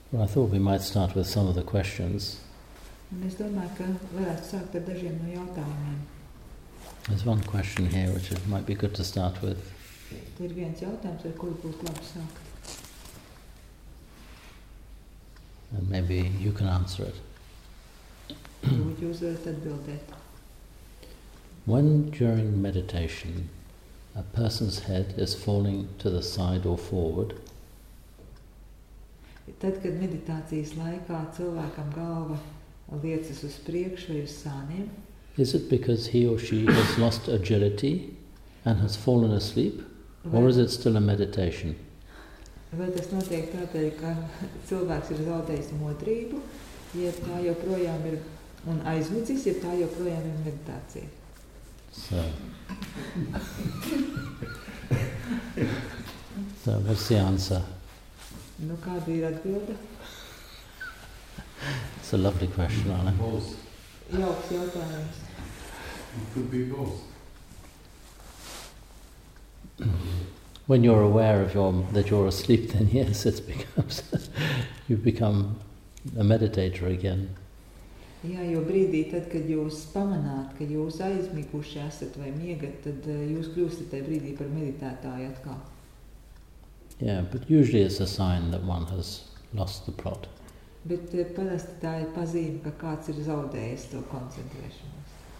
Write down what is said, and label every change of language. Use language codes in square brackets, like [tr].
[en] Well, I thought we might start with some of the questions. [lv] Un es domāju, ka varētu sākt ar dažiem no jautājumiem. [en] There's one question here which it might be good to start with. [lv] Te ir viens jautājums, ar kuru būtu labi sākt. [en] And maybe you can answer it. [lv] Jūs varat atbildēt. [en] When during meditation a person's head is falling to the side or forward, [lv] tad, kad meditācijas laikā cilvēkam galva liecas uz priekšu vai uz sāniem, [en] is it because he or she has lost agility and has fallen asleep, or is it still a meditation? [lv] Vai tas notiek tādēļ, ka cilvēks ir zaudējis modrību, jeb tā joprojām ir un aizmucis, jeb tā joprojām ir meditācija? [en] So. So, what's the answer? [lv] Nu, kāda ir atbilde? [en] It's a lovely question, Anna. Both. [lv] Jauks jautājums. [en] It could be both. When you're aware of that you're asleep, then yes, it becomes, you become a meditator again. [lv] Jā, jo brīdī, tad, kad jūs pamanāt, ka jūs aizmiguši esat vai miegat, tad jūs kļūstat tajā brīdī par meditētāju atkal. [en] Yeah, but usually it's a sign that one has lost the plot. [lv] Bet parasti tā ir pazīme, ka kāds ir zaudējis to koncentrēšanos.